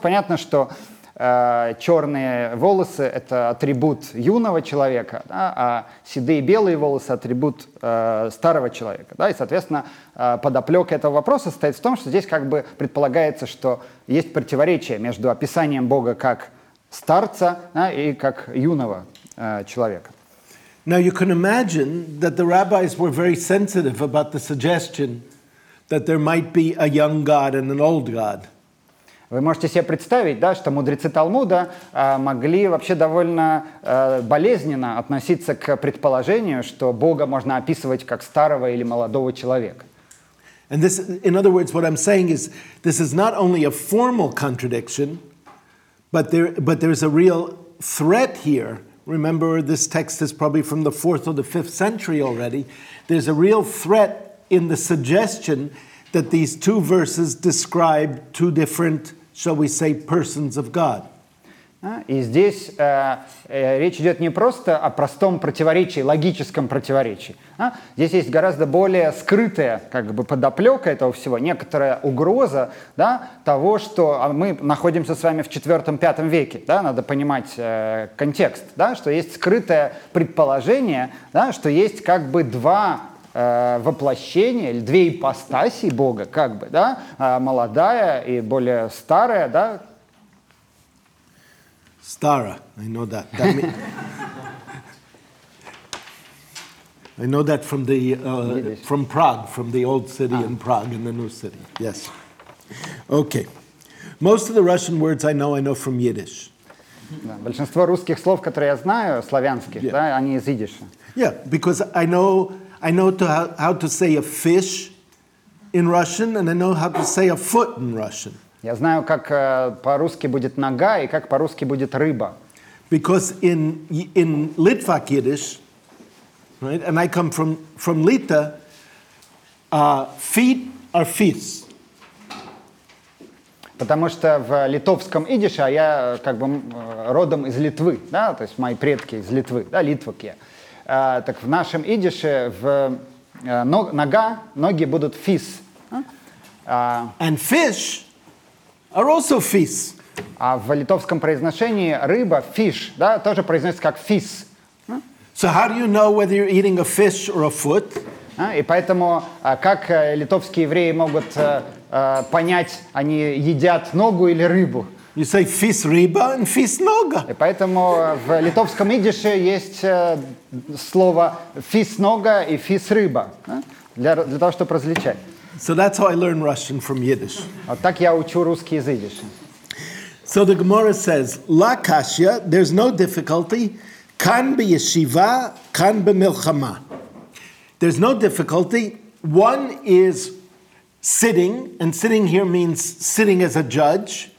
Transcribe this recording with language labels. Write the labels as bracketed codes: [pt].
[ru] Понятно, что черные волосы – это атрибут юного человека, да, а седые белые волосы – атрибут старого человека. Да, и, соответственно, подоплека этого вопроса состоит в том, что здесь как бы предполагается, что есть противоречие между описанием Бога как старца, да, и как юного человека. [en] Now you can imagine that the rabbis were very sensitive about the suggestion that there might be a young God and an old God. [ru] Вы можете себе представить, да, что мудрецы Талмуда могли вообще довольно болезненно относиться к предположению, что Бога можно описывать как старого или молодого человека. [en] And this, in other words, what I'm saying is, this is not only a formal contradiction, but there's a real threat here. Remember, this text is probably from the 4th or the 5th century already. There's a real threat in the suggestion that these two verses describe two different, shall we say, persons of God. [ru] И здесь речь идет не просто о простом противоречии, логическом противоречии. Здесь есть гораздо более скрытая, как бы подоплека этого всего, некоторая угроза, да, того, что мы находимся с вами в 4-5 веке, да, надо понимать контекст, да, что есть скрытое предположение, да, что есть как бы два воплощение или две ипостаси Бога, как бы, да, молодая и более старая, да. Старая, [en] I know that. I know that from the from Prague, from the old city in Prague and the new city. Yes. Okay. Most of the Russian words I know from Yiddish. [ru] Большинство русских слов, которые я знаю, славянские, да, они из идиша. [en] Yeah, because I know how to say a fish in Russian, and I know how to say a foot in Russian. [ru] Я знаю, как по-русски будет нога и как по-русски будет рыба. [en] Because in Litvak Yiddish, right, and I come from Lita, feet are fists. [ru] Потому что в литовском идише, а я как бы родом из Литвы, да, то есть мои предки из Литвы, да, литвак я, так в нашем идише в нога, ноги будут fis. [en] And fish are also fis. [ru] А в литовском произношении рыба, fish, да, тоже произносится как fis. [en] So how do you know whether you're eating a fish or a foot? [ru] И поэтому, как литовские евреи могут понять, они едят ногу или рыбу? [en] You say fis ryba and fis noga. [ru] И поэтому в литовском идише есть слово fis noga и fis ryba, для того, чтобы различать. [en] So that's how I learn Russian from Yiddish. [ru] Вот так я учу русский из идиша. [en] So the Gemara says, [arc] la kashya, [en] there's no difficulty, [arc] kan be yeshiva, kan be milchama. [en] There's no difficulty. One is sitting, and sitting here means sitting as a judge.